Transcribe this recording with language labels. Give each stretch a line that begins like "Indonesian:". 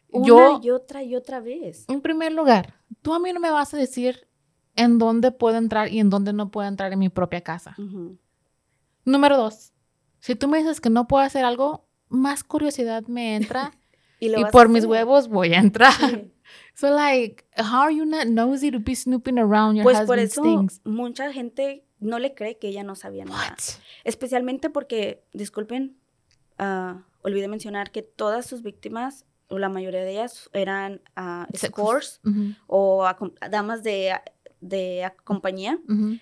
Spanish: Una y otra vez. En primer lugar, tú a mí no me vas a decir en dónde puedo entrar y en dónde no puedo entrar en mi propia casa. Uh-huh. Número 2. Si tú me dices que no puedo hacer algo, más curiosidad me entra. y por mis huevos voy a entrar. Sí.
English: So like, how are you not nosy to be snooping around your husband's things?
Spanish: Pues por eso mucha gente no le cree que ella no sabía nada. Especialmente porque, disculpen, olvidé mencionar que todas sus víctimas, o la mayoría de ellas, eran escorts o damas de compañía. Uh-huh.